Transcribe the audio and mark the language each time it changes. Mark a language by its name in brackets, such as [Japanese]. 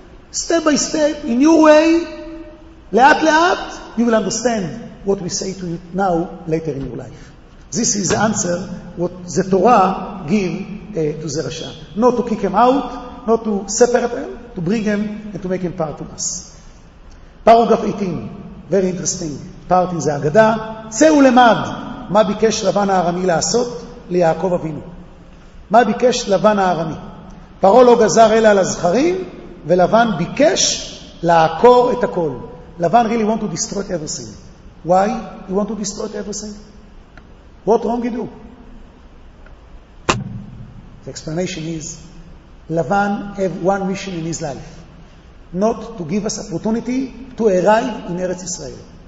[English] Step by step, in your way, leat leat, you will understand what we say to you now, later in your life. This is the answer what the Torah gives to the Rasha. Not to kick him out, not to separate him, to bring him and to make him part of us. Paragraph 18, very interesting part in the Haggadah. [Hebrew] צאו למד, מה ביקש לבן הארמי לעשות ליעקב אבינו? מה ביקש לבן הארמי? פרעה לא גזר אלא על הזכרים, ולבן ביקש לעקור את הכל. [English] לבן really want to destroy everything. Why? He want to destroy everything. What wrong he do? The explanation is, לבן have one mission in his life. Not to give us opportunity to arrive in Eretz Israel.